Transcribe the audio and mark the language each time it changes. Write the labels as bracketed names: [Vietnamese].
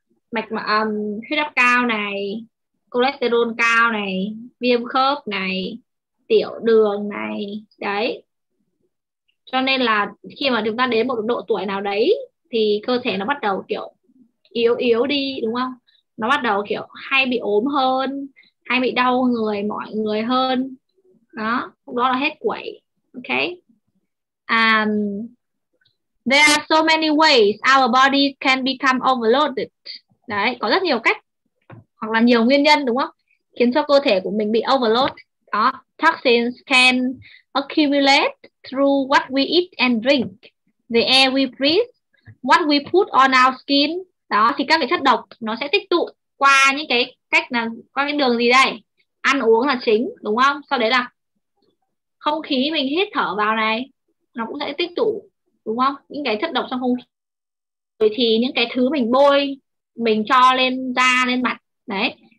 [Vietnamese] Mạch mà huyết áp cao này, cholesterol cao này, viêm khớp này, tiểu đường này, đấy. Cho nên là khi mà chúng ta đến một độ tuổi nào đấy thì cơ thể nó bắt đầu kiểu yếu yếu đi, đúng không? Nó bắt đầu kiểu hay bị ốm hơn, hay bị đau người, mỏi người hơn. Đó, lúc đó là hết quẩy. Ok. [English] There are so many ways our body can become overloaded. [Vietnamese] Đấy, có rất nhiều cách hoặc là nhiều nguyên nhân, đúng không? Khiến cho cơ thể của mình bị overload. [English] Đó, toxins can accumulate through what we eat and drink, the air we breathe, what we put on our skin. [Vietnamese] Đó, thì các cái chất độc nó sẽ tích tụ qua những cái cách là qua cái đường gì đây? Ăn uống là chính, đúng không? Sau đấy là không khí mình hít thở vào này, nó cũng sẽ tích tụ, đúng không? Những cái chất độc trong không khí. Rồi thì những cái thứ mình bôi, mình cho lên da, lên mặt, đấy.